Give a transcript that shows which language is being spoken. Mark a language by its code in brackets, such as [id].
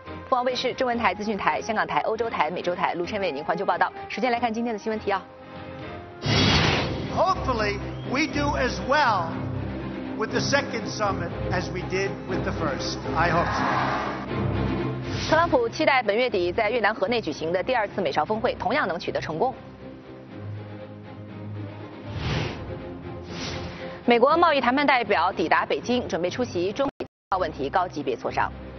[zh] 凤凰卫视、中文台、资讯台、香港台、欧洲台、美洲台陆晨为您环球报道。时间来看今天的新闻提要。 [en] Hopefully, we do as well with the second summit as we did with the first. I hope so. [zh] 特朗普期待本月底在越南河内举行的第二次美朝峰会同样能取得成功。美国贸易谈判代表抵达北京，准备出席中美经贸问题高级别磋商。